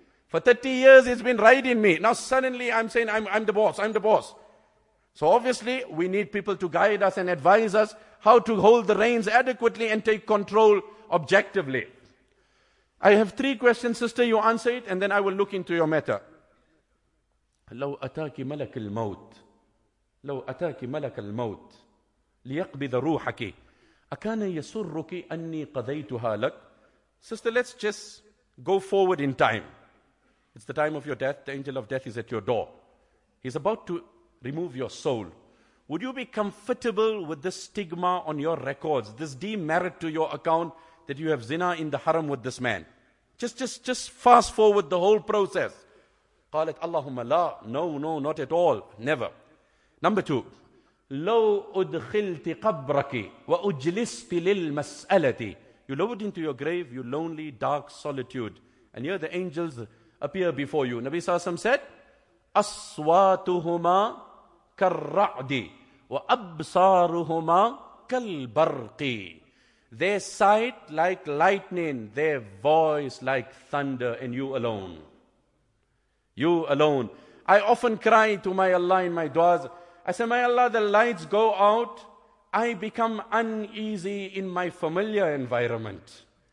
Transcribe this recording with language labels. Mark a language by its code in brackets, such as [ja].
[en] For 30 years, it's been riding me. Now suddenly, I'm saying, I'm the boss. So obviously, we need people to guide us and advise us how to hold the reins adequately and take control objectively. I have three questions, sister. You answer it, and then I will look into your matter. [ar] لو أتاك ملك الموت لو أتاك ملك الموت ليقبض روحك أكان يسرك أني قضيتها لك. [en] Sister, let's just go forward in time. It's the time of your death. The angel of death is at your door. He's about to remove your soul. Would you be comfortable with this stigma on your records, this demerit to your account that you have zina in the haram with this man? Just fast forward the whole process. [ar] قالت اللهم لا. [en] No, not at all. Never. Number two. [ar] لو أدخلت قبرك وأجلست للمسألة. [en] You load into your grave, your lonely, dark solitude. And here the angels appear before you. Nabi Sassam said, [ar] أصواتهما كالرعد وأبصارهما كالبرق. [en] Their sight like lightning, their voice like thunder, and you alone. You alone. I often cry to my Allah in my du'as. I say, "My Allah, the lights go out. I become uneasy in my familiar environment.